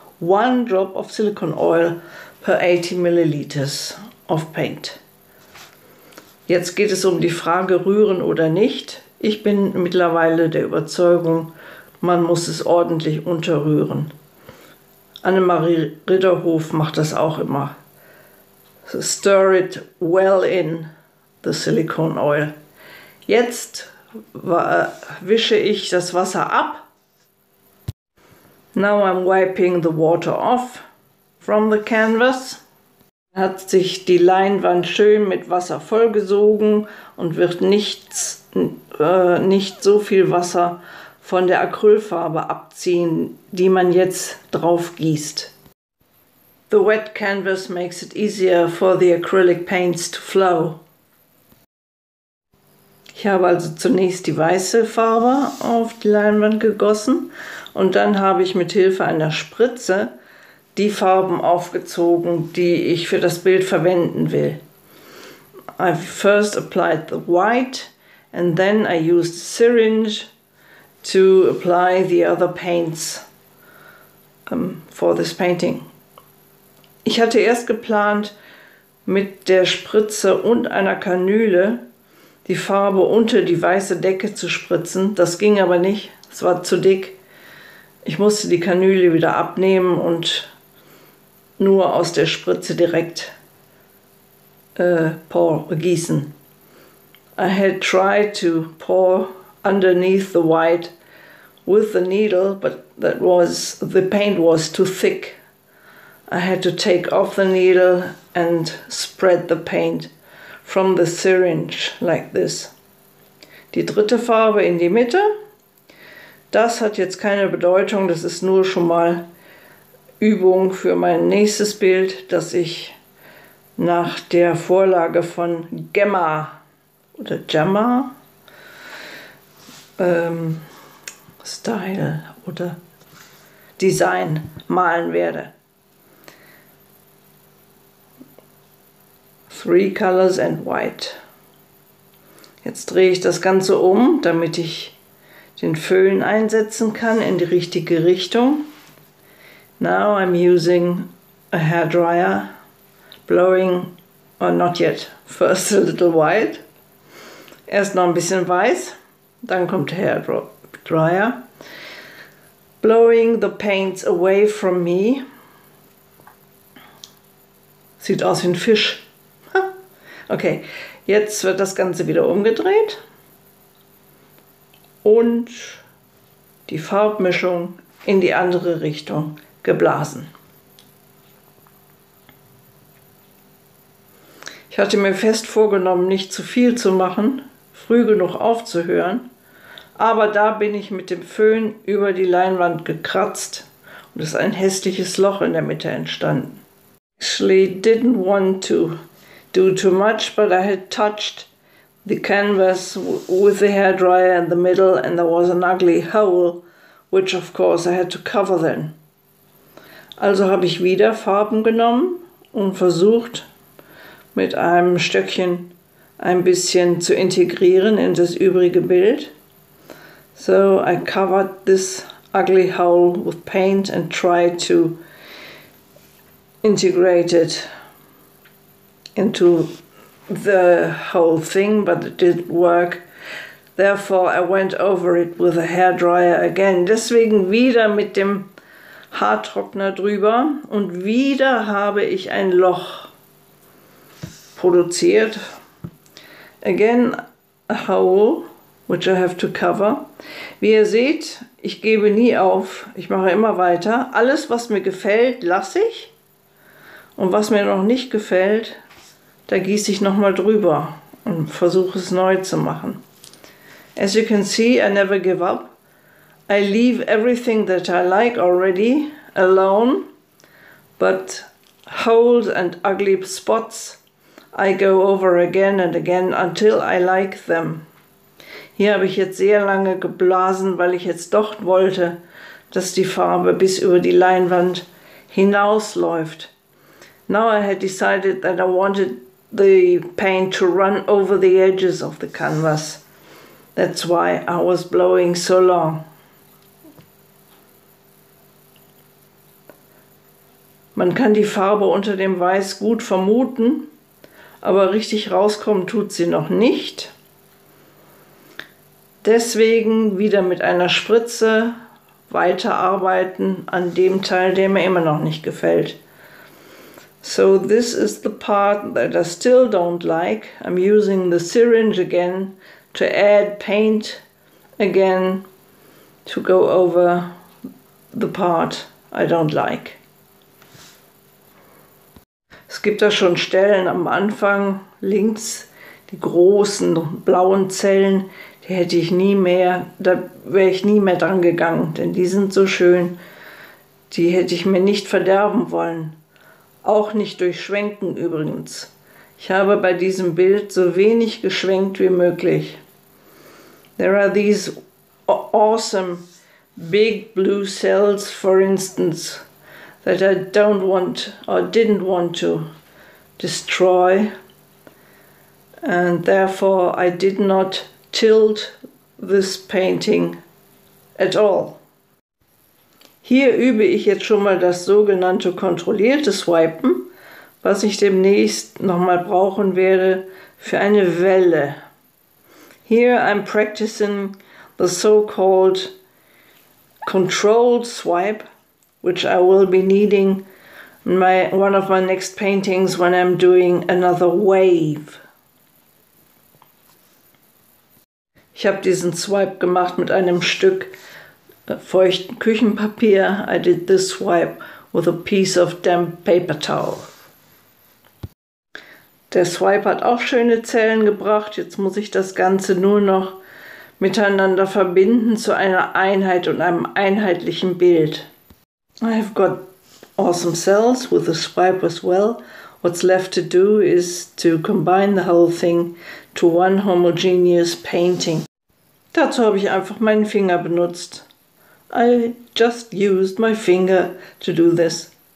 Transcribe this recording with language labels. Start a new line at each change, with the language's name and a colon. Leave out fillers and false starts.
English: One drop of silicone oil per 80 milliliters of paint.
German: Jetzt geht es um die Frage, rühren oder nicht. Ich bin mittlerweile der Überzeugung, man muss es ordentlich unterrühren. Annemarie Ritterhof macht das auch immer.
English: So stir it well in the silicone oil.
German: Jetzt wische ich das Wasser ab.
English: Now I'm wiping the water off from the canvas.
German: Hat sich die Leinwand schön mit Wasser vollgesogen und wird nicht so viel Wasser von der Acrylfarbe abziehen, die man jetzt drauf gießt.
English: The wet canvas makes it easier for the acrylic paints to flow.
German: Ich habe also zunächst die weiße Farbe auf die Leinwand gegossen und dann habe ich mit Hilfe einer Spritze die Farben aufgezogen, die ich für das Bild verwenden will.
English: I first applied the white and then I used a syringe to apply the other paints for this painting.
German: Ich hatte erst geplant, mit der Spritze und einer Kanüle die Farbe unter die weiße Decke zu spritzen. Das ging aber nicht, es war zu dick. Ich musste die Kanüle wieder abnehmen und nur aus der Spritze direkt gießen.
English: I had tried to pour underneath the white with the needle, but the paint was too thick. I had to take off the needle and spread the paint from the syringe like this.
German: Die dritte Farbe in die Mitte. Das hat jetzt keine Bedeutung, das ist nur schon mal Übung für mein nächstes Bild, das ich nach der Vorlage von Gemma oder Gemma Style oder Design malen werde.
English: Three colors and white.
German: Jetzt drehe ich das Ganze um, damit ich den Föhn einsetzen kann in die richtige Richtung.
English: Now I'm using a hairdryer, blowing, or not yet, first a little white.
German: Erst noch ein bisschen weiß, dann kommt der Hairdryer.
English: Blowing the paints away from me.
German: Sieht aus wie ein Fisch. Okay, jetzt wird das Ganze wieder umgedreht. Und die Farbmischung in die andere Richtung geblasen. Ich hatte mir fest vorgenommen, nicht zu viel zu machen, früh genug aufzuhören. Aber da bin ich mit dem Föhn über die Leinwand gekratzt und ist ein hässliches Loch in der Mitte entstanden.
English: Actually didn't want to do too much, but I had touched the canvas with the hairdryer in the middle and there was an ugly hole, which of course I had to cover then.
German: Also habe ich wieder Farben genommen und versucht, mit einem Stöckchen ein bisschen zu integrieren in das übrige Bild.
English: So I covered this ugly hole with paint and tried to integrate it into the whole thing, but it didn't work. Therefore I went over it with a hairdryer again.
German: Deswegen wieder mit dem Haartrockner drüber und wieder habe ich ein Loch produziert.
English: Again a hole, which I have to cover.
German: Wie ihr seht, ich gebe nie auf. Ich mache immer weiter. Alles, was mir gefällt, lasse ich. Und was mir noch nicht gefällt, da gieße ich nochmal drüber und versuche es neu zu machen.
English: As you can see, I never give up. I leave everything that I like already alone, but holes and ugly spots I go over again and again until I like them.
German: Hier habe ich jetzt sehr lange geblasen, weil ich jetzt doch wollte, dass die Farbe bis über die Leinwand hinausläuft.
English: Now I had decided that I wanted the paint to run over the edges of the canvas. That's why I was blowing so long.
German: Man kann die Farbe unter dem Weiß gut vermuten, aber richtig rauskommen tut sie noch nicht. Deswegen wieder mit einer Spritze weiterarbeiten an dem Teil, der mir immer noch nicht gefällt.
English: So this is the part that I still don't like. I'm using the syringe again to add paint again to go over the part I don't like.
German: Es gibt da schon Stellen am Anfang, links die großen blauen Zellen, die hätte ich nie mehr, da wäre ich nie mehr dran gegangen, denn die sind so schön, die hätte ich mir nicht verderben wollen. Auch nicht durch Schwenken übrigens. Ich habe bei diesem Bild so wenig geschwenkt wie möglich.
English: There are these awesome big blue cells, for instance, that I don't want or didn't want to destroy. And therefore I did not tilt this painting at all.
German: Hier übe ich jetzt schon mal das sogenannte kontrollierte Swipen, was ich demnächst nochmal brauchen werde für eine Welle.
English: Here I'm practicing the so-called controlled swipe, which I will be needing in one of my next paintings when I'm doing another wave.
German: Ich habe diesen Swipe gemacht mit einem Stück feuchten Küchenpapier.
English: I did this swipe with a piece of damp paper towel.
German: Der Swipe hat auch schöne Zellen gebracht. Jetzt muss ich das Ganze nur noch miteinander verbinden zu einer Einheit und einem einheitlichen Bild.
English: I have got awesome cells with the swipe as well. What's left to do is to combine the whole thing to one homogeneous painting.
German: Dazu habe ich einfach meinen Finger benutzt.
English: I just used my finger to do this.